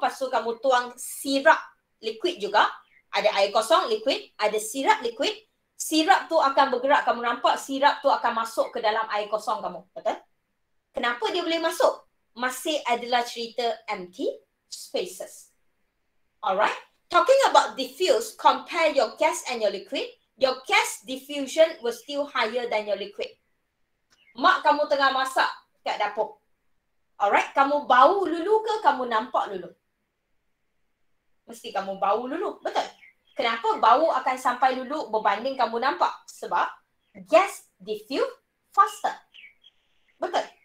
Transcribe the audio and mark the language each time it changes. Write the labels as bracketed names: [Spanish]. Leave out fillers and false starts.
[Malay] Lepas tu kamu tuang sirap liquid juga. Ada air kosong liquid. Ada sirap liquid. Sirap tu akan bergerak. Kamu nampak sirap tu akan masuk ke dalam air kosong kamu. Betul? Kenapa dia boleh masuk? Masih adalah cerita empty spaces. Alright? [English] Talking about diffuse, compare your gas and your liquid. Your gas diffusion was still higher than your liquid. [Malay] Mak kamu tengah masak kat dapur. [English] Alright? [Malay] Kamu bau dulu ke kamu nampak dulu? Mesti kamu bau dulu. Betul? Kenapa bau akan sampai dulu berbanding kamu nampak? [English] Sebab gas diffuse faster. Betul?